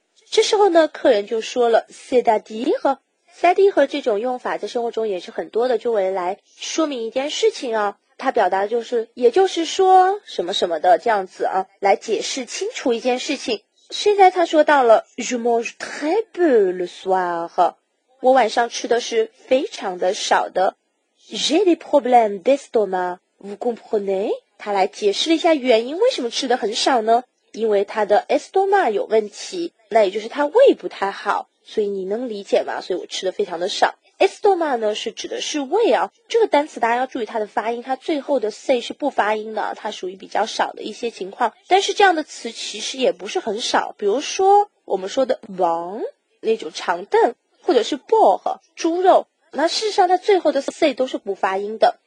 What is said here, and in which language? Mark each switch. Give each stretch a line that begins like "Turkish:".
Chinese: 这时候呢客人就说了
French: C'est à dire，
Chinese: CD 和这种用法在生活中也是很多的，就为了来说明一件事情啊，它表达的就是也就是说什么什么的这样子啊，来解释清楚一件事情。现在他说到了
French: Je mange très peu le soir，
Chinese: 我晚上吃的是非常的少的。
French: J'ai des problèmes d'estomac， vous comprenez？
Chinese: 他来解释了一下原因，为什么吃的很少呢？因为他的 estomac 有问题，那也就是他胃不太好，所以你能理解吗？所以我吃的非常的少。 estomac 呢是指的是胃啊，这个单词大家要注意它的发音，它最后的 c 是不发音的，它属于比较少的一些情况，但是这样的词其实也不是很少，比如说我们说的王那种长凳，或者是薄荷猪肉，那事实上它最后的 c 都是不发音的。